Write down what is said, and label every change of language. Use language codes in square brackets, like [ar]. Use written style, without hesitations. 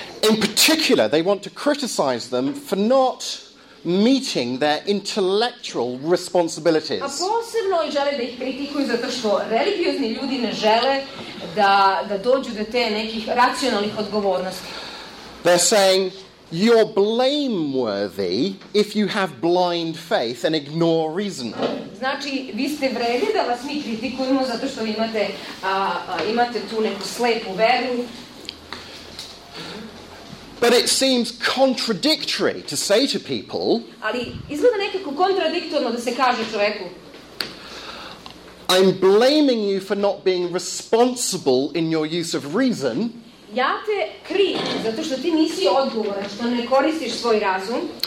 [en] In particular, they want to criticize them for not meeting their intellectual responsibilities. [sr] A posebno žele da ih kritikuju zato što religiozni ljudi ne žele da dođu do te nekih racionalnih odgovornosti. [en] They're saying, you're blameworthy if you have blind faith and ignore reason. [sr] Znači, vi ste vredni da vas mi kritikujemo zato što vi imate tu neku slepu veru. [en] But it seems contradictory to say to people, [sr] ali izgleda nekako kontradiktorno da se kaže čovjeku, [en] I'm blaming you for not being responsible in your use of reason. [sr] Ja te krivim zato što ti nisi odgovoran, što ne koristiš svoj razum.